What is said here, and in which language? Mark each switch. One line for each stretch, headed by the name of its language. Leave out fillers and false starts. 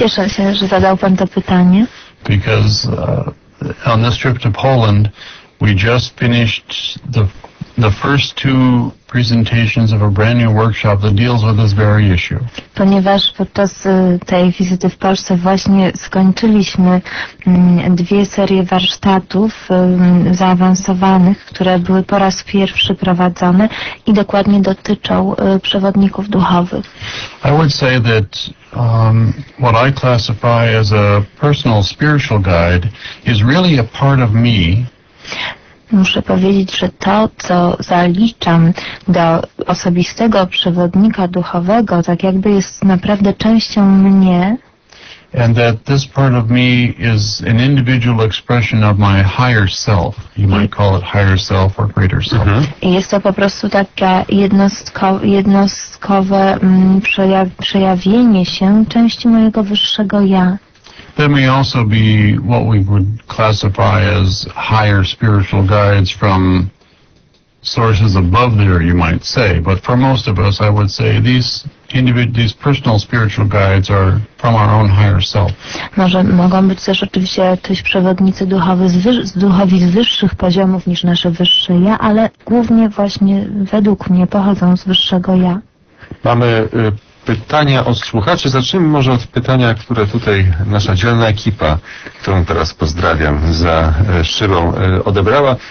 Polish: Cieszę się, że zadał pan to pytanie.
English: Because on this trip to Poland, we just finished the first two presentations of a brand new workshop that deals with this very issue.
Polish: Ponieważ podczas tej wizyty w Polsce właśnie skończyliśmy dwie serie warsztatów zaawansowanych, które były po raz pierwszy prowadzone i dokładnie dotyczą przewodników duchowych.
English: I would say that what I classify as a personal spiritual guide is really a part of me.
Polish: Muszę powiedzieć, że to, co zaliczam do osobistego przewodnika duchowego, tak jakby jest naprawdę częścią mnie.
English: And that this part of me is an individual expression of my higher self. You might call it higher self or greater self. Mm-hmm.
Polish: I jest to po prostu takie jednostkowe przejawienie się części mojego wyższego ja.
English: There may also be what we would classify as higher spiritual guides from sources above there, you might say. But for most of us, I would say these personal spiritual guides are from our own higher self.
Polish: Może mogą być też oczywiście jakieś przewodnicy duchowe duchowi z wyższych poziomów niż nasze wyższe ja, ale głównie właśnie według mnie pochodzą z wyższego ja. Mamy pytania od słuchaczy. Zacznijmy może od pytania, które tutaj nasza dzielna ekipa, którą teraz pozdrawiam za szybą, odebrała.